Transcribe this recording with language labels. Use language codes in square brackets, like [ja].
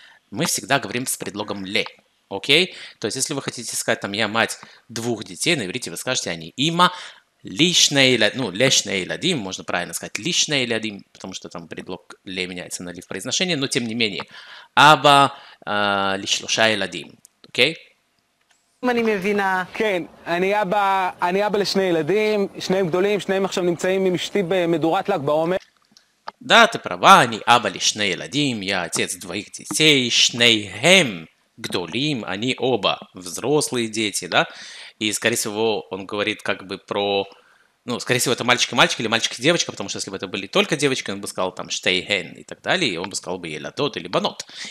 [ru] Мы всегда говорим с предлогом «ле», окей? То есть, если вы хотите сказать, там, я мать двух детей, на иврите вы скажете, они «има лишней ля», ну, «лешней лядим», можно правильно сказать «лишней лядим», потому что там предлог «ле» меняется на «ли» в произношении, но тем не менее. «Аба лишлушай лядим», окей? [he] אני מבינה. כן, אני אבא לשני ילדים, שניים גדולים, שניים עכשיו נמצאים עם אשתי במדורת לג בעומר. [ru] Да, ты права, они оба лишь не ладим, я отец двоих детей, шнейхем гдолим, они оба взрослые дети, да? И, скорее всего, он говорит как бы про... Ну, скорее всего, это мальчик и мальчик или мальчик и девочка, потому что если бы это были только девочки, он бы сказал там штейхен и так далее, и он бы сказал бы еладот или банот.